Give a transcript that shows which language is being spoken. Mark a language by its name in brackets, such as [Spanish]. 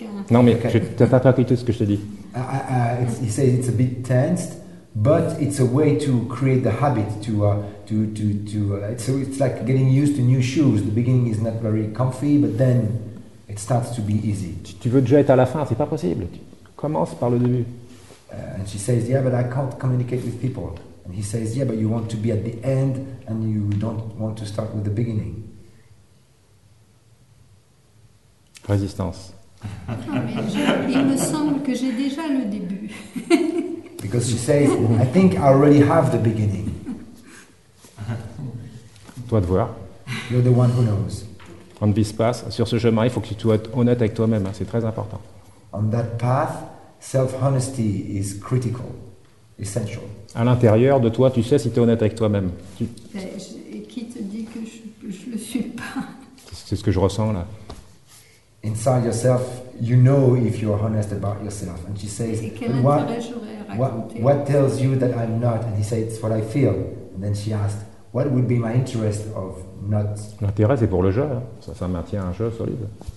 [French] Non mais tu n'as pas écouté ce que je te dis. [English] He says it's a bit tensed, but it's a way to create the habit it's like getting used to new shoes. The beginning is not very comfy, but then it starts to be easy. [French] Tu veux déjà être à la fin, c'est pas possible. Commence par le début. [English] And she says, yeah, but I can't communicate with people. And he says, yeah, but you want to be at the end and you don't want to start with the beginning. [French] Résistance. Il me semble que j'ai déjà le début. [English] Because she says, I think I already have the beginning. [French] Toi de voir. [English] You're the one who knows. On this path, [French] sur ce chemin, il faut que tu sois honnête avec toi-même. C'est très important. [English] On that path, self-honesty is critical, essential. [French] À l'intérieur de toi, tu sais si tu es honnête avec toi-même. Et qui te dit que je ne le suis pas? C'est ce que je ressens là. [English] Inside yourself, you know if you are honest about yourself. And she says, what tells you that I'm not? And he says, it's what I feel. And then she asked, what would be my interest of not? [French] L'intérêt, c'est pour le jeu. Ça maintient un jeu solide.